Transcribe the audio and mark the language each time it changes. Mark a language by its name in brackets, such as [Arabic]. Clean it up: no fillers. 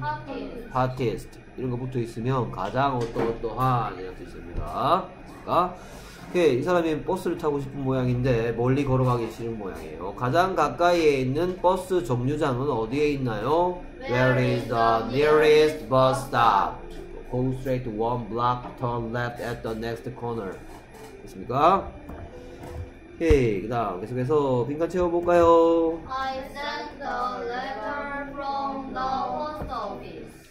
[English] Hottest. Hottest. [Korean] 이런 거 붙어있으면 가장 어떠어떠한 이런 뜻입니다. 그러니까, 오케이. 이 사람이 버스를 타고 싶은 모양인데 멀리 걸어가기 싫은 모양이에요. 가장 가까이에 있는 버스 정류장은 어디에 있나요? [English] Where is the nearest bus stop? Go straight one block, turn left at the next corner. [Korean] 됐습니까? 오케이, 그 다음 계속해서 빈칸 채워볼까요? [English] I sent the letter from the post office.